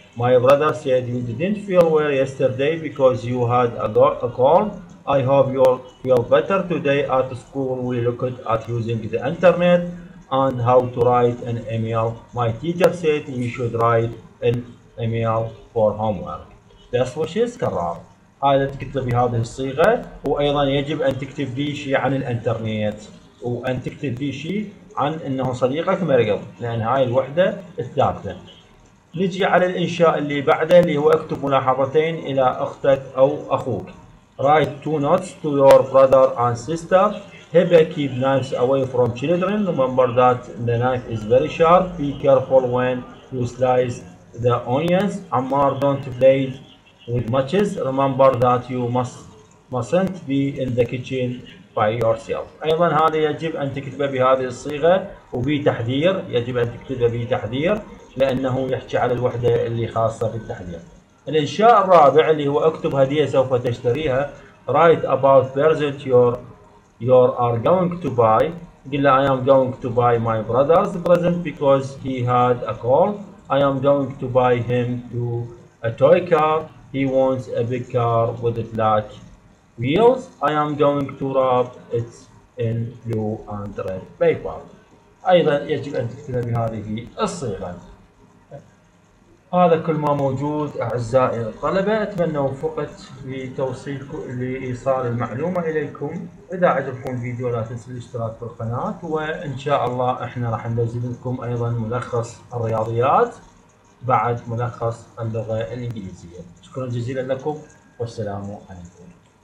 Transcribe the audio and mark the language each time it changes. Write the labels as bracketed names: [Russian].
[English] My brother said you didn't feel well yesterday because you had a cold. I hope you feel better today at school. We looked at using the internet and how to write an email. My teacher said we should write an email for homework. Best wishes, كرار. [Arabic] هذا تكتب بهذه الصيغة، وأيضا يجب أن تكتب لي شيء عن الإنترنت، وأن تكتب لي شيء عن أنه صديقك مريض، لأن هاي الوحدة الثالثة. نجي على الإنشاء اللي بعده اللي هو اكتب ملاحظتين إلى أختك أو أخوك. [English] Write two notes to your brother and sister. Hebe keep knives away from children. Remember that the knife is very sharp. Be careful when you slice the onions. Ammar, don't play with matches. Remember that you mustn't be in the kitchen by yourself. [Arabic] أيضا هذا يجب أن تكتبه بهذه الصيغة وبتحذير، يجب أن تكتبه بتحذير لأنه يحكي على الوحدة اللي خاصة بالتحذير. الإنشاء الرابع اللي هو اكتب هدية سوف تشتريها. [English] Write about present your are going to buy. [Arabic] قل له [English] I am going to buy my brother's present because he had a cold. I am going to buy him to a toy car. He wants a big car with black wheels. I am going to wrap it in blue and red paper. [Arabic] أيضا يجب أن تكتب بهذه الصيغة. هذا كل ما موجود أعزائي الطلبة. أتمنى وفقت لإيصال المعلومة إليكم. إذا عجبكم الفيديو لا تنسوا الاشتراك في القناة، وإن شاء الله إحنا راح ننزل لكم أيضا ملخص الرياضيات بعد ملخص اللغة الإنجليزية. شكرا جزيلا لكم والسلام عليكم.